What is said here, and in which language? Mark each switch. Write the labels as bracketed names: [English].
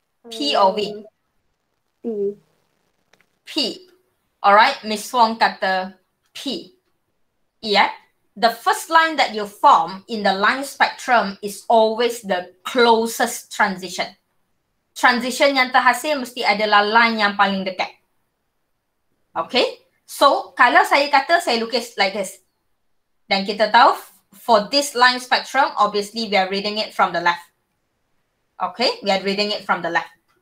[English] P or V? P. P. All right. Miss Wong kata P. Yeah, the first line that you form in the line spectrum is always the closest transition. [Malay] Transition yang terhasil mesti adalah line yang paling dekat. Okay, so kalau saya kata saya lukis [English] like this. [Malay] Dan kita tahu [English] for this line spectrum, obviously we are reading it from the left. Okay, we are reading it from the left.